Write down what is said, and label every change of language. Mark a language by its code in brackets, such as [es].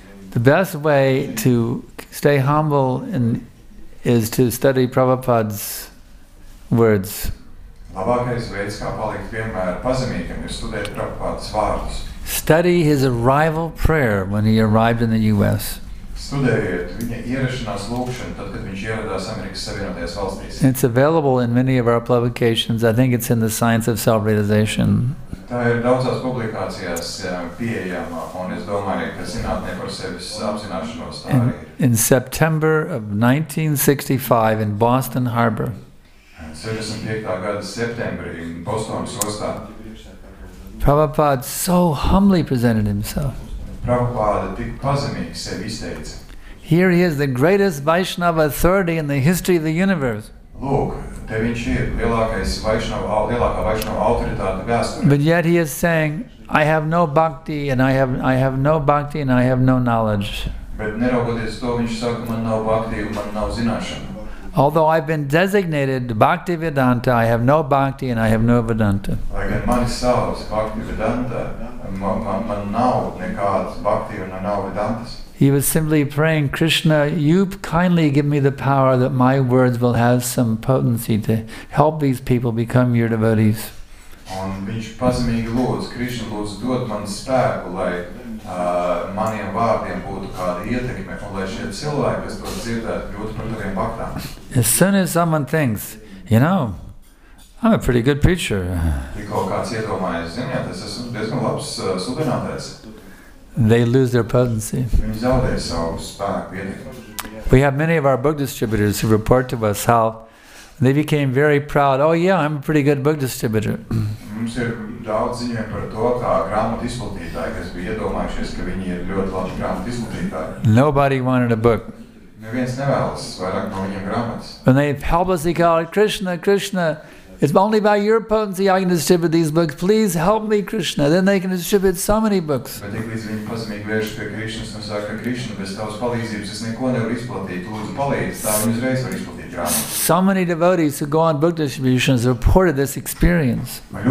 [en] The best way to stay humble is to study Prabhupada's words. [lv] Labākais veids, kā palikt vienmēr pazemīgam, ir studēt Prabhupādas vārdus. [en] Study his arrival prayer when he arrived in the U.S. [lv] Studējiet viņa ierašanās lūkšanu tad, kad viņš ieradās Amerikas Savienotajās valstīs. [en] It's available in many of our publications. I think it's in the Science of Self-Realization. [lv] Tā ir daudzās publikācijās pieejama, un es domāju, ka zinātnē par sevis apzināšanos tā ir. [en] In September of 1965 in Boston Harbor. [lv] 65. Gada septembrī Bostonas ostā. [en] Prabhupāda so humbly presented himself. [lv] Prabhupāda tik pazemīgi sevi izteica. [en] Here he is, the greatest Vaishnava authority in the history of the universe. [lv] Look, te viņš ir lielākā Vaishnava autoritāte vēsturē. [en] But yet he is saying, I have no bhakti and I have no bhakti and I have no knowledge. [lv] Bet neraugoties to, viņš saka, man nav bhakti un man nav zināšana. [en] Although I've been designated Bhakti Vedanta, I have no Bhakti and I have no Vedanta. [lv] I get money sells Bhakti Vedanta, man nav nekāds Bhakti un nav Vedantas. [en] He was simply praying, Krishna, you kindly give me the power that my words will have some potency to help these people become your devotees. [lv] Un viņš pazemīgi lūdz, Krishna lūdz dot man spēku, lai maniem vārdiem būtu kāda ietekme, un lai šie cilvēki, kas to dzirdētu, kļūtu par taviem baktām. [en] As soon as someone thinks, you know, I'm a pretty good preacher. [lv] Ja kaut kāds iedomājas, ziniet, es esmu diezgan labs sudinātājs. [en] They lose their potency. [lv] Viņi zaudē savu spēku ietekmi. [en] We have many of our book distributors who report to us how they became very proud. Oh yeah, I'm a pretty good book distributor. [lv] Mums ir daudz ziņiem par to, kā grāmatu izplatītāji, kas bija iedomājušies, ka viņi ir ļoti labi grāmatu izplatītāji. [en] Nobody wanted a book. [lv] Neviens nevēlas vairāk no viņiem grāmatas. [en] And they helplessly called, Krishna, Krishna, it's only by your potency I can distribute these books. Please help me, Krishna. Then they can distribute so many books. [lv] Bet tiklīdz viņi pazemīgi vēršas pie Krišnas un saka, Krišna, bez tavas palīdzības es neko nevaru izplatīt. Lūdzu, palīdz, tā viņi uzreiz var izplatīt. [en] So many devotees who go on book distributions reported this experience.